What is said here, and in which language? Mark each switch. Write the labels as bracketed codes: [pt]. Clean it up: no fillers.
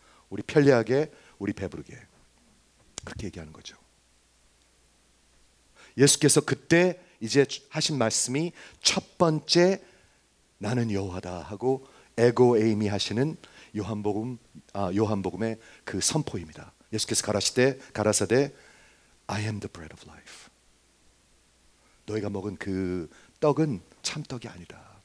[ko] 우리 편리하게 우리 배부르게 그렇게 얘기하는 거죠. 예수께서 그때 이제 하신 말씀이 첫 번째 나는 여호와다 하고 에고 에이미 하시는 요한복음의 그 선포입니다. 예수께서 가라사대 [en] I am the bread of life. [ko] 너희가 먹은 그 떡은 참떡이 아니다.